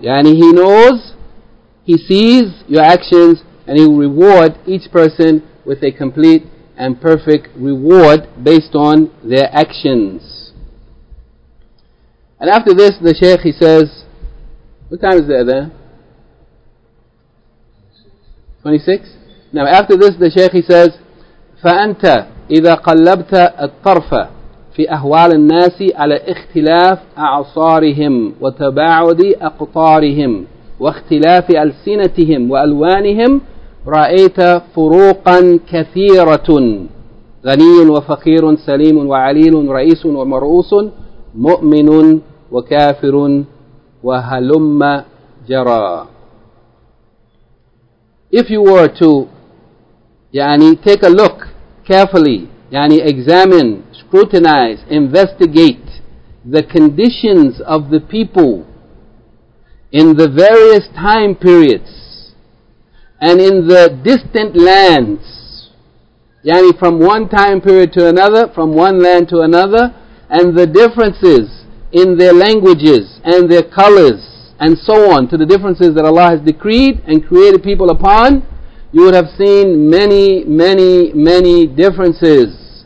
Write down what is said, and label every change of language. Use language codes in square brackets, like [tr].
[en] Yani He knows, He sees your actions, and He will reward each person with a complete and perfect reward based on their actions. And after this, the Shaykh, he says, what time is the adhan? 26? Now, after this, the Shaykh, he says, [ar] فَأَنْتَ إِذَا قَلَّبْتَ الطَّرْفَ فِي أَهْوَالِ النَّاسِ عَلَى اِخْتِلَافِ أَعْصَارِهِمْ وَتَبَاعُدِ أَقْطَارِهِمْ وَاخْتِلَافِ أَلْسِنَتِهِمْ وَأَلْوَانِهِمْ رَأَيْتَ فُرُوقًا كَثِيرَةٌ غَنِيٌ وَفَقِيرٌ سَلِيمٌ وَعَلِيلٌ رَئِيسٌ وَمَرْؤُوسٌ مُؤْمِنٌ وَكَافِرٌ وَهَلُمَّ جَرَى. [en] If you were to يعني, take a look carefully, يعني, examine, scrutinize, investigate the conditions of the people in the various time periods and in the distant lands, يعني, from one time period to another, from one land to another, and the differences in their languages and their colors and so on, to the differences that Allah has decreed and created people upon, you would have seen many, many, many differences.